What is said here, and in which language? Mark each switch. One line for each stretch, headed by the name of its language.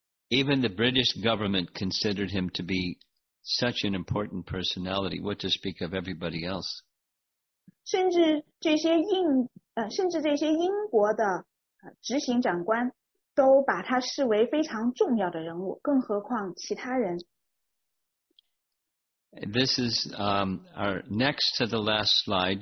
English: Even the British government considered him to be such an important personality, what to speak of everybody else.
Chinese: 甚至这些英国的执行长官都把他视为非常重要的人物，更何况其他人。
English: This is our next to the last slide.